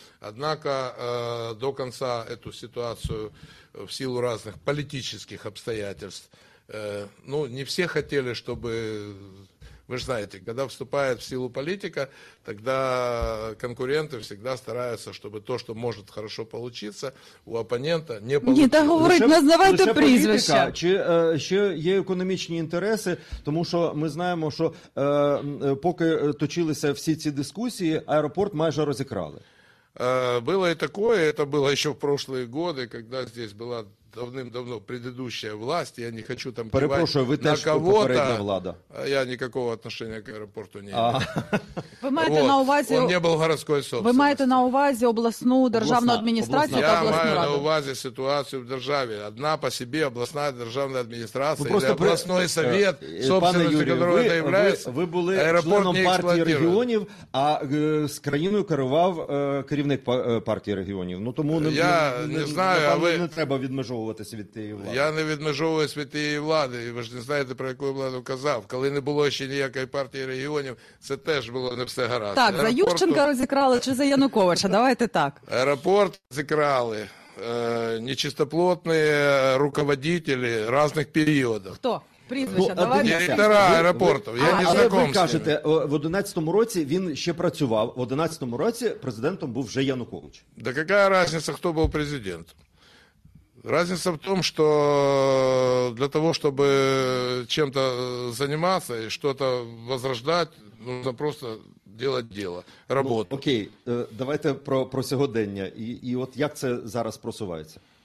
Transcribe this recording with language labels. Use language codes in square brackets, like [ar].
[ru] Однако до конца эту ситуацию в силу разных политических обстоятельств, не все хотели, чтобы... Вы же знаете, когда вступает в силу политика, тогда конкуренты всегда стараются, чтобы то, что может хорошо получиться, у оппонента не получилось. [uk] Не так говорить, називайте прізвища. Чи ще є економічні інтереси, тому що ми знаємо, що поки точилися всі ці дискусії, аеропорт майже розікрали. [ru] Было и такое, это было еще в прошлые годы, когда здесь была давным-давно предыдущая власть, я не хочу там кивать на кого-то. [uk] Перепрошую, вы теж попередня влада. [ru] Я никакого отношения к аэропорту не имею. [uk] Ви маєте на увазі... [ru] Он не был городской собственности. [uk] Ви маєте на увазі обласну державну адміністрацію та обласну раду? Я маю на увазі ситуацію в державі. [ru] Одна по себе [uk] обласна державна адміністрація [ru] или обласний совет, собственностью которого это является, аэропорт не эксплуатирует. [uk] Пане Юрію, ви були членом партії регіонів, а з країною керував керівник партії регіонів. Ну, тому не треба відмежовуватися від тієї влади. Я не відмежовуюсь від тієї влади. І ви ж не знаєте, про яку владу казав. Коли не було ще ніякої партії регіонів, це теж було не все гаразд. Так, за Ющенка розікрали чи за Януковича? Давайте так. Аеропорт зікрали нечистоплотні руководителі різних періодів. Хто? Прізвища, ну, давай. Директора аеропорту, я не знаком з ними. Але ви кажете, в 11-му році він ще працював, в 11-му році президентом був вже Янукович. Да яка різниця, хто був президентом? [ru] Разница в том, что для того, чтобы чем-то заниматься и что-то возрождать, нужно просто делать дело, работу. [uk] Ну, окей, давайте про сьогодення. І от як це зараз просувається?